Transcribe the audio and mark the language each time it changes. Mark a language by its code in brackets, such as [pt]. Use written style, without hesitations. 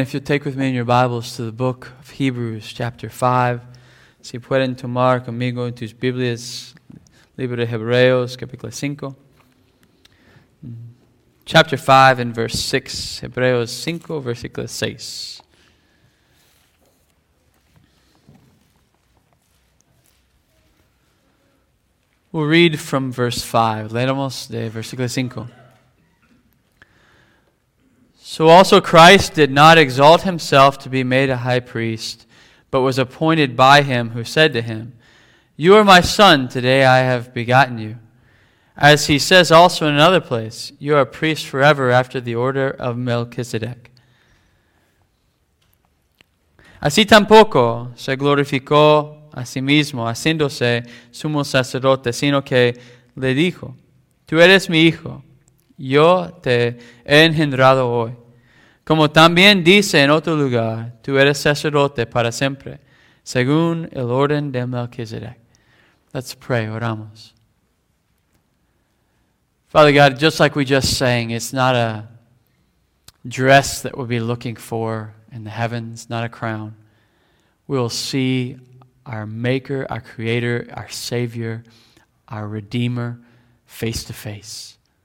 [en] If you'll take with me in your Bibles to the book of Hebrews, chapter 5. [es] Si pueden tomar conmigo en tus Biblias, libro de Hebreos, capítulo 5. [en] Chapter 5 and verse 6, [es] Hebreos 5, versículo 6. [en] We'll read from verse 5. [es] Leemos de versículo 5. [en] So also Christ did not exalt himself to be made a high priest, but was appointed by him who said to him, "You are my son, today I have begotten you." As he says also in another place, "You are a priest forever after the order of Melchizedek." [es] Así tampoco se glorificó a sí mismo, haciéndose sumo sacerdote, sino que le dijo, "Tú eres mi hijo, yo te he engendrado hoy." Como también dice en otro lugar, "Tú eres sacerdote para siempre, según el orden de Melchizedek." [en] Let's pray, [es] oramos. [en] Father God, just like we just sang, it's not a dress that we'll be looking for in the heavens, not a crown. We'll see our Maker, our Creator, our Savior, our Redeemer, face to face.